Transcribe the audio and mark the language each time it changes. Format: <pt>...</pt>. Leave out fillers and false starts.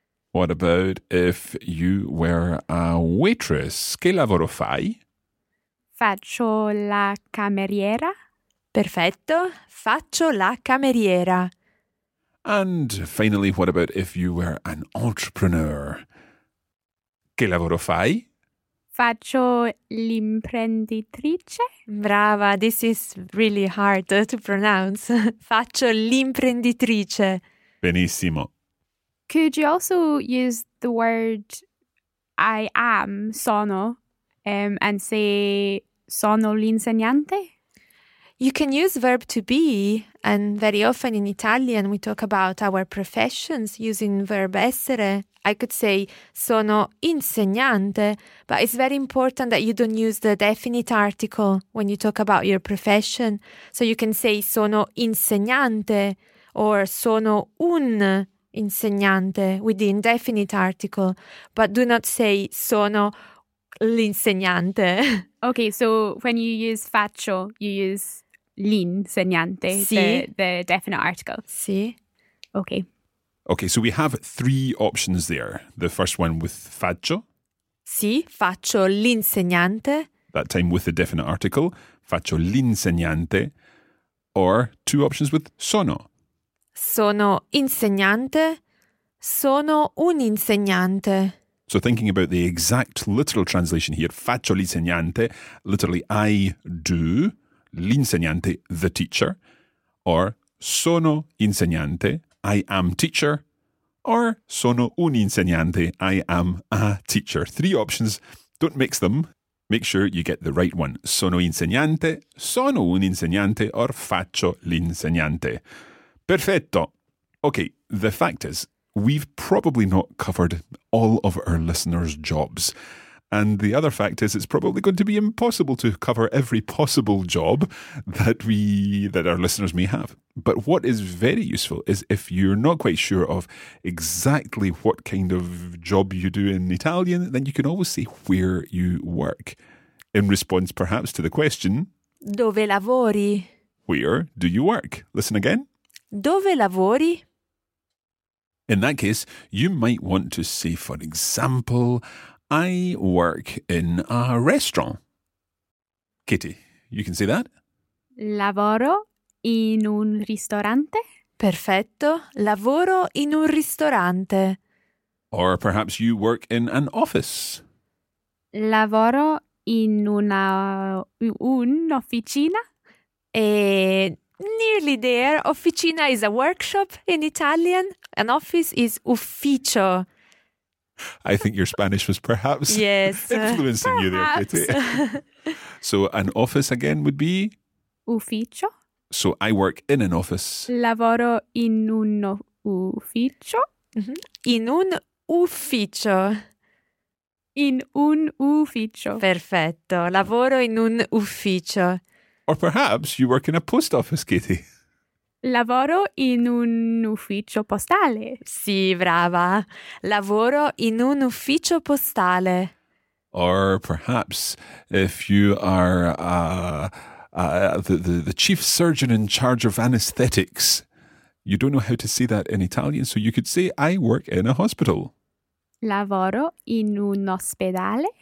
<en>What about if you were a waitress?</en> <it>Che lavoro fai? Faccio la cameriera. Perfetto. Faccio la cameriera.</it> <en>And finally, what about if you were an entrepreneur?</en> <it>Che lavoro fai? Faccio l'imprenditrice.</it> <en>Brava, this is really hard to pronounce.</en> <it>Faccio l'imprenditrice. Benissimo.</it> <en>Could you also use the word I am, sono, and say</en> <it>sono l'insegnante?</it> <en>You can use verb to be, and very often in Italian we talk about our professions using verb essere. I could say</en> <it>sono insegnante,</it> <en>but it's very important that you don't use the definite article when you talk about your profession. So you can say</en> <it>sono insegnante</it> <en>or</en> <it>sono un insegnante</it> <en>with the indefinite article, but do not say</en> <it>sono l'insegnante.</it> <en>Okay, so when you use faccio, you use l'insegnante,</en> <it>sì.</it> <en>the definite article.</en> <it>Sì.</it> <en>Okay. Okay, so we have three options there. The first one with faccio.</en> <it>Sì, faccio l'insegnante.</it> <en>That time with the definite article,</en> <it>faccio l'insegnante.</it> <en>Or two options with sono.</en> <it>Sono insegnante, sono un insegnante.</it> <en>So thinking about the exact literal translation here,</en> <it>faccio l'insegnante,</it> <en>literally I do, l'insegnante, the teacher, or</en> <it>sono insegnante,</it> <en>I am teacher, or</en> <it>sono un insegnante,</it> <en>I am a teacher. Three options, don't mix them, make sure you get the right one.</en> <it>Sono insegnante, sono un insegnante, or faccio l'insegnante. Perfetto.</it> <en>Okay, the fact is, we've probably not covered all of our listeners' jobs. And the other fact is, it's probably going to be impossible to cover every possible job that our listeners may have. But what is very useful is if you're not quite sure of exactly what kind of job you do in Italian, then you can always say where you work. In response, perhaps, to the question,</en> <it>dove lavori?</it> <en>Where do you work? Listen again.</en> <it>Dove lavori?</it> <en>In that case, you might want to say, for example, I work in a restaurant. Katie, you can say that?</en> <it>Lavoro in un ristorante. Perfetto. Lavoro in un ristorante.</it> <en>Or perhaps you work in an office.</en> <it>Lavoro in un'officina.</it> <en>Nearly there. Officina is a workshop in Italian. An office is ufficio. I think your Spanish was perhaps influencing perhaps. You there, Katie. So an office again would be?</en> <it>Ufficio.</it> <en>So I work in an office.</en> <it>Lavoro in un ufficio. Mm-hmm. In un ufficio. In un ufficio. Perfetto. Lavoro in un ufficio.</it> <en>Or perhaps you work in a post office, Katie.</en> <it>Lavoro in un ufficio postale. Sì, brava. Lavoro in un ufficio postale.</it> <en>Or perhaps if you are the chief surgeon in charge of anesthetics, you don't know how to say that in Italian, so you could say, I work in a hospital.</en> <it>Lavoro in un ospedale.</it>